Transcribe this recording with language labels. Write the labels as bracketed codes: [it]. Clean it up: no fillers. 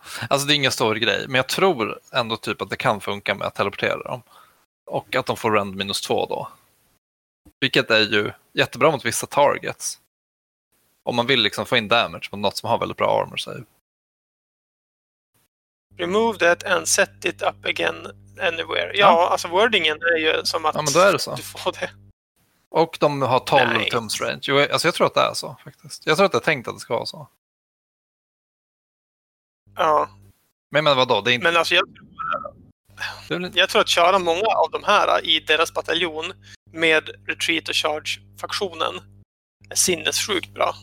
[sv] Alltså det är ingen stor grej, men jag tror ändå typ att det kan funka med att teleportera dem och att de får rend minus 2 då, vilket är ju jättebra mot vissa targets om man vill liksom få in damage på något som har väldigt bra armor save. [en] Remove that and set it up again anywhere. [sv] Ja, alltså wordingen är ju som att ja, men då är det så. Du får det och de har 12 tums range. Jo, alltså jag tror att det är så faktiskt. Jag tror att jag tänkte att det ska vara så. Ja. Men vadå? Det är inte... men alltså jag tror att köra många av de här i deras bataljon med retreat och charge-faktionen är sinnessjukt bra.